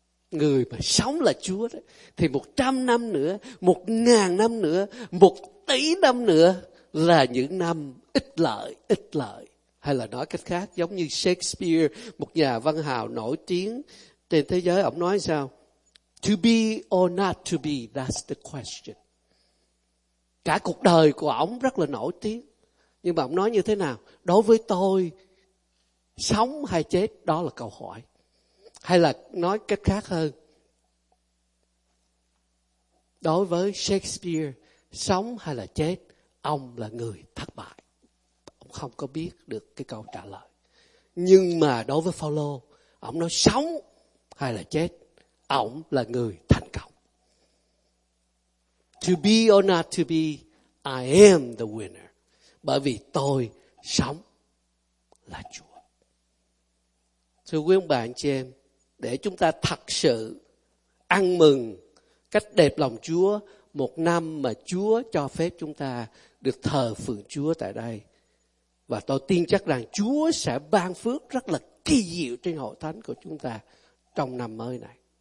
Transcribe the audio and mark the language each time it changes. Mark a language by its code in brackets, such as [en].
[vi] Người mà sống là Chúa đó, thì 100 năm nữa, 1000 năm nữa, 1 tỷ năm nữa là những năm ích lợi, ích lợi. Hay là nói cách khác, giống như Shakespeare, một nhà văn hào nổi tiếng trên thế giới, ông nói sao? [en] To be or not to be, that's the question. [vi] Cả cuộc đời của ông rất là nổi tiếng. Nhưng mà ông nói như thế nào? Đối với tôi, sống hay chết, đó là câu hỏi. Hay là nói cách khác hơn. Đối với Shakespeare, sống hay là chết, ông là người thất bại. Ông không có biết được cái câu trả lời. Nhưng mà đối với Paulo, ông nói sống hay là chết, ổng là người thành công. [en] To be or not to be, I am the winner. [vi] Bởi vì tôi sống là Chúa. Thưa quý ông bà anh chị em, để chúng ta thật sự ăn mừng cách đẹp lòng Chúa, một năm mà Chúa cho phép chúng ta được thờ phượng Chúa tại đây. Và tôi tin chắc rằng Chúa sẽ ban phước rất là kỳ diệu trên hội thánh của chúng ta trong năm mới này.